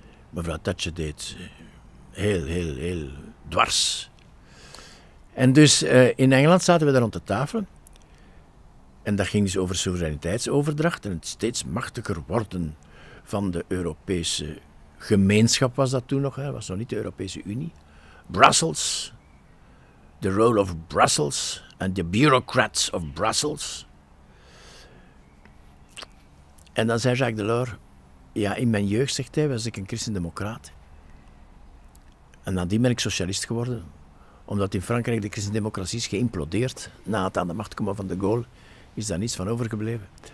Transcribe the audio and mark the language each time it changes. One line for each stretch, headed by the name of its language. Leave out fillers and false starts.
Dutch: Mevrouw Thatcher deed heel, heel, heel dwars. En dus in Engeland zaten we daar rond de tafel. En dat ging dus over soevereiniteitsoverdracht en het steeds machtiger worden van de Europese gemeenschap was dat toen nog. Het was nog niet de Europese Unie.
English: Brussels. The role of Brussels and the bureaucrats of Brussels.
Dutch: En dan zei Jacques Delors, ja, in mijn jeugd, zegt hij, was ik een christendemocraat. En nadien ben ik socialist geworden, omdat in Frankrijk de christendemocratie is geïmplodeerd. Na het aan de macht komen van de Gaulle is daar niets van overgebleven.